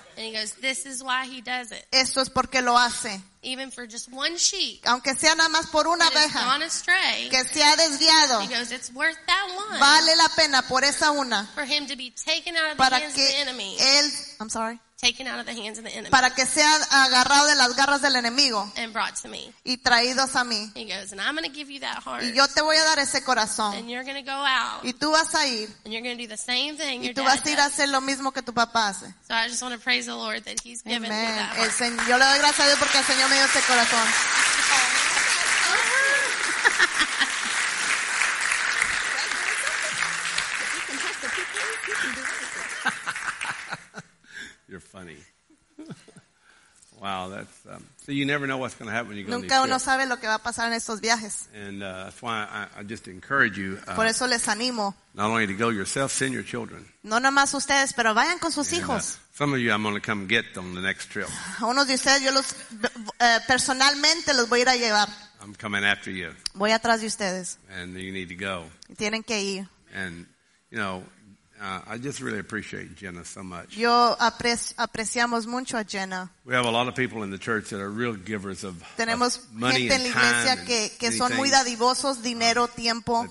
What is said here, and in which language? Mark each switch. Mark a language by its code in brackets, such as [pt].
[en] And he goes, this is why he does it. [es] Esto es porque lo hace. [en] Even for just one sheep. [es] Aunque sea nada más por una abeja. [en] Gone astray, [es] que se ha desviado. [en] He goes, it's worth that one. [es] Vale la pena por esa una. [en] For him to be taken out of the hands of the enemy. Él, I'm sorry. Taken out of the hands of the enemy. [es] Para que sea agarrado de las garras del enemigo. [en] And brought to me. [es] Y traídos a mí. [en] He goes, and I'm going to give you that heart. [es] Y yo te voy a dar ese corazón. [en] And you're going to go out. [es] Y tú vas a ir. [en] And you're going to do the same thing your dad does. [es] Y tú vas a ir a hacer lo mismo que tu papá hace. [en] So I just want to praise the Lord that he's given me that heart. [es] El Señor, yo le doy gracias a Dios porque el Señor me dio ese corazón. [en] You're funny. Wow, that's so you never know what's going to happen when you go [es] Nunca [en] on these [es] uno [en] trips. [es] Sabe lo que va a pasar en estos viajes. [en] And that's why I just encourage you. [es] Por eso les animo. [en] Not only to go yourself, send your children. [es] No nomás ustedes, pero vayan con sus and, hijos. [en] Some of you I'm going to come get on the next trip. [es] A unos de ustedes yo los personalmente los voy a ir a llevar. [en] I'm coming after you. [es] Voy atrás de ustedes. [en] And you need to go. [es] Tienen que ir. [en] And you know, I just really appreciate Jenna so much. [es] Yo apreciamos mucho a Jenna. [en] We have a lot of people in the church that are real givers of money and time. [es] Tenemos gente en la iglesia que son muy dadivosos, dinero, tiempo.